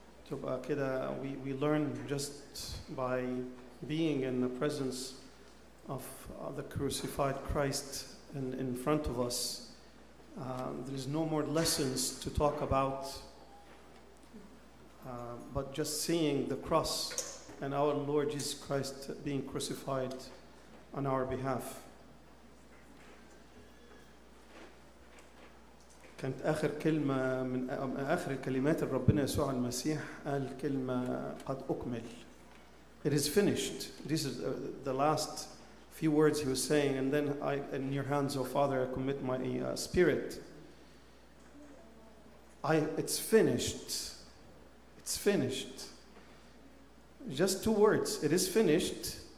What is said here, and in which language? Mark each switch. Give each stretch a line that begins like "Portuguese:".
Arabic: تبقى كده
English: we learn just by being in the presence of the crucified Christ in front of us. There is no more lessons to talk about, but just seeing the cross and our Lord Jesus Christ being crucified on our behalf.
Arabic: كانت آخر كلمة من آخر كلمات ربنا يسوع المسيح قال كلمة قد أكمل.
English: It is finished. This is the last few words he was saying, and then in your hands, O Father, I commit my spirit. It's finished. It's finished. Just two words. It is finished.